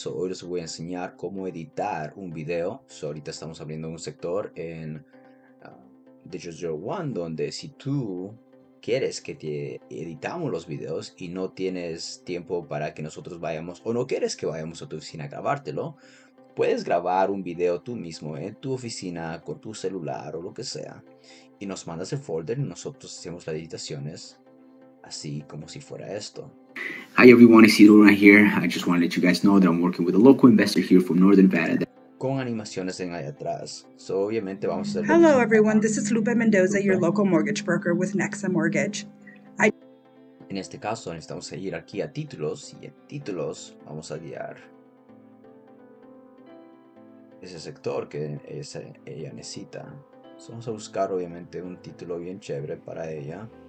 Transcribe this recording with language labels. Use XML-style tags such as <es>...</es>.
<es>Hoy les voy a enseñar cómo editar un video. Ahorita estamos abriendo un sector en DigitalOne, donde si tú quieres que te editamos los videos y no tienes tiempo para que nosotros vayamos o no quieres que vayamos a tu oficina a grabártelo, puedes grabar un video tú mismo en tu oficina con tu celular o lo que sea y nos mandas el folder y nosotros hacemos las editaciones así como si fuera esto.</es> <en>Hi everyone, it's Isidro right here. I just want to let you guys know that I'm working with a local investor here from Northern Nevada.</en> <es>Con animaciones en allá atrás. So, obviamente vamos a hacer...</es> <en>Hello everyone, this is Lupe Mendoza, your local mortgage broker with Nexa Mortgage.</en> <es>En este caso, necesitamos ir aquí a títulos y en títulos vamos a guiar ese sector que ella necesita. So, vamos a buscar obviamente un título bien chévere para ella.</es>